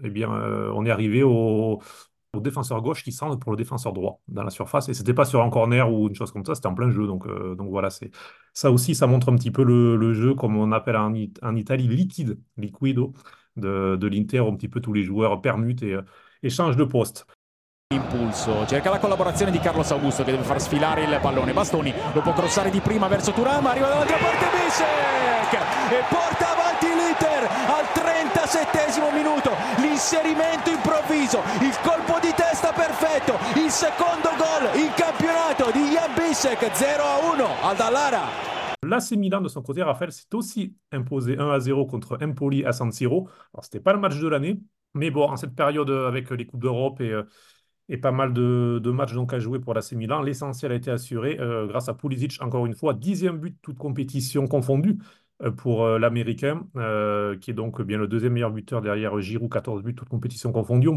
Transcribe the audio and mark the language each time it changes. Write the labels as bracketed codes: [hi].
[fr] Eh bien, on est arrivé au défenseur gauche qui centre pour le défenseur droit dans la surface. Et ce n'était pas sur un corner ou une chose comme ça, c'était en plein jeu. Donc voilà, ça aussi, ça montre un petit peu le jeu, comme on appelle en Italie, liquide, liquido, de l'Inter, un petit peu tous les joueurs permutent et changent de poste. [it] Impulso, cerca la collaborazione di Carlos Augusto che deve far sfilare il pallone. Bastoni lo può crossare di prima verso Thuram, arriva dall'altra parte Bissek e porta avanti l'Inter al 37esimo minuto. L'inserimento improvviso, il colpo di testa perfetto, il secondo gol in campionato di Jan Bissek, 0-1 al Dallara. [fr] L'AC Milan, de son côté, Raphaël, s'est aussi imposé 1 à 0 contre Empoli à San Siro. Alors, c'était pas le match de l'année, mais bon, en cette période avec les Coupes d'Europe et pas mal de matchs donc à jouer pour l'AC Milan. L'essentiel a été assuré grâce à Pulisic, encore une fois, 10e but toute compétition confondue pour l'Américain, qui est donc bien le deuxième meilleur buteur derrière Giroud, 14 buts toute compétition confondue.